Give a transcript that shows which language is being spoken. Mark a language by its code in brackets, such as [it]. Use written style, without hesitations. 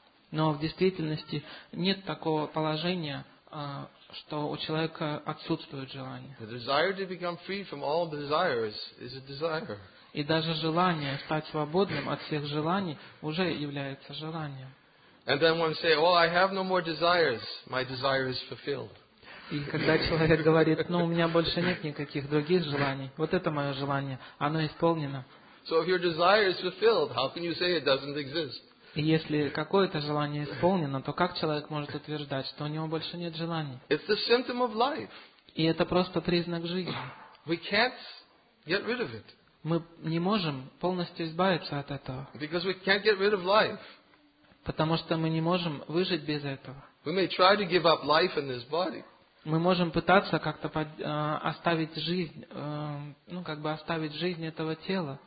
[ru] Но в действительности нет такого положения, что у человека отсутствует желание. И даже желание стать свободным от всех желаний уже является желанием. [en] And then one says, "Well, I have no more desires. My desire is fulfilled." [ru] И когда человек говорит, "Ну, у меня больше нет никаких других желаний. Вот это мое желание, оно исполнено." [en] So if your desire is fulfilled, how can you say it doesn't exist? [ru] И если какое-то желание исполнено, то как человек может утверждать, что у него больше нет желаний? [en] It's the symptom of life. [ru] И это просто признак жизни. [en] We can't get rid of it. [ru] Мы не можем полностью избавиться от этого. [en] Because we can't get rid of life. [ru] Потому что мы не можем выжить без этого. [en] We may try to give up life in this body. [ru] Мы можем пытаться как-то оставить жизнь, оставить жизнь этого тела.